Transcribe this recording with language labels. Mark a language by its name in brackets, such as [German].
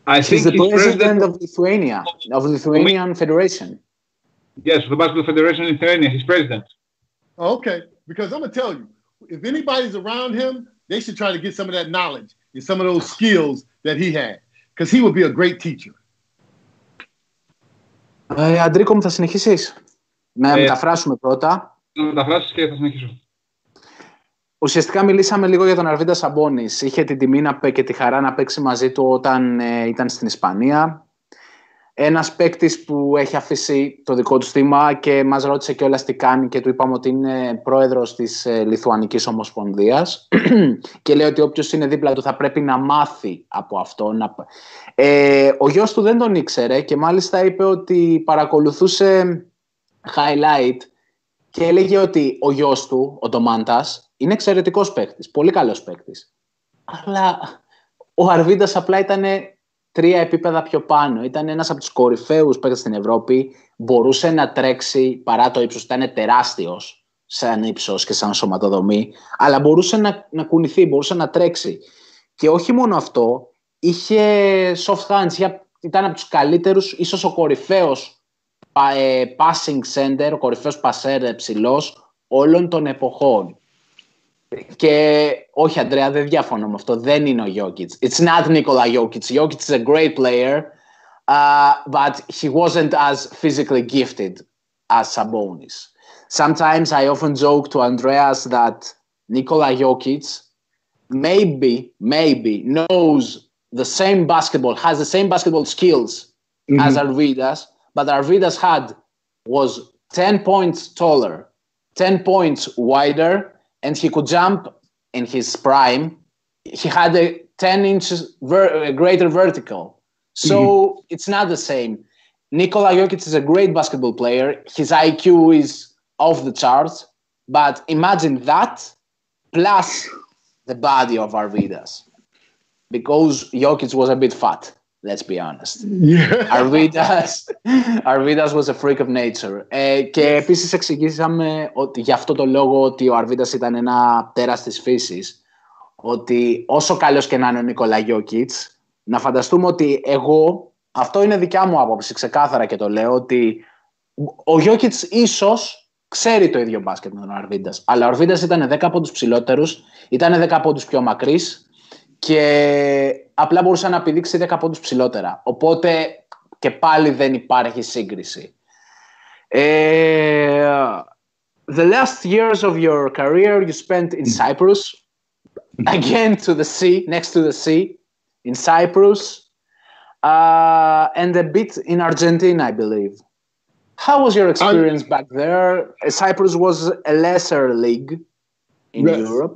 [English] He's the president of Lithuania, of the Lithuanian Federation. Yes, the Basketball Federation in Lithuania. He's president. Okay, because I'm going to tell you, if anybody's around him, they should try to get some of that knowledge and some of those skills that he had. Because he would be a great teacher. [Greek] Αντρίκο μου, θα συνεχίσεις. Να μεταφράσουμε πρώτα. Να μεταφράσεις και θα συνεχίσω. Ουσιαστικά μιλήσαμε λίγο για τον Αρβίντα Σαμπόνις. Είχε την τιμή και τη χαρά να παίξει μαζί του όταν ήταν στην Ισπανία. Ένας παίκτης που έχει αφήσει το δικό του στίγμα και μας ρώτησε και όλα τι κάνει και του είπαμε ότι είναι πρόεδρος της Λιθουανικής Ομοσπονδίας και λέει ότι όποιος είναι δίπλα του θα πρέπει να μάθει από αυτό. Ο γιος του δεν τον ήξερε και μάλιστα είπε ότι παρακολουθούσε highlight και έλεγε ότι ο γιος του, ο Ντομάντας, είναι εξαιρετικός παίκτης, πολύ καλός παίκτης. Αλλά ο Αρβίντας απλά ήταν τρία επίπεδα πιο πάνω. Ήταν ένας από τους κορυφαίους παίκτες στην Ευρώπη. Μπορούσε να τρέξει παρά το ύψος. Ήταν τεράστιος σαν ύψος και σαν σωματοδομή. Αλλά μπορούσε να κουνηθεί, μπορούσε να τρέξει. Και όχι μόνο αυτό. Είχε [English] soft hands. [Greek] Ήταν από τους καλύτερους, ίσως ο κορυφαίος [English] passing center, [Greek] ο κορυφαίος πασέρ ψηλός όλων των εποχών. Και όχι, Αντρέα, δεν διαφωνώ με αυτό. Δεν είναι ο Jokic. [English] It's not Nikola Jokic. Jokic is a great player, but he wasn't as physically gifted as Sabonis. Sometimes I often joke to Andreas that Nikola Jokic maybe knows the same basketball, has the same basketball skills as Arvidas, but Arvidas was 10 points taller, 10 points wider, and he could jump in his prime. He had a 10 inches greater vertical. So it's not the same. Nikola Jokic is a great basketball player. His IQ is off the charts. But imagine that plus the body of Arvidas. Because Jokic was a bit fat, let's be honest. Yeah. Arvidas was a freak of nature. [Greek] Και επίσης εξηγήσαμε ότι γι' αυτό το λόγο ότι ο Arvidas ήταν ένα τέρας της φύσης, ότι όσο καλός και να είναι ο Nikola Jokic, να φανταστούμε ότι εγώ, αυτό είναι δικιά μου άποψη, ξεκάθαρα και το λέω, ότι ο Jokic ίσως ξέρει το ίδιο μπάσκετ με τον Arvidas, αλλά ο Arvidas ήταν 10 πόντους ψηλότερους, ήταν 10 πόντους πιο μακρύς, και απλά μπορούσε να επιδείξει 10 πόντους ψηλότερα. Οπότε και πάλι δεν υπάρχει σύγκριση. [English] The last years of your career you spent in Cyprus. Again to the sea, next to the sea, in Cyprus. And a bit in Argentina, I believe. How was your experience back there? Cyprus was a lesser league in Europe.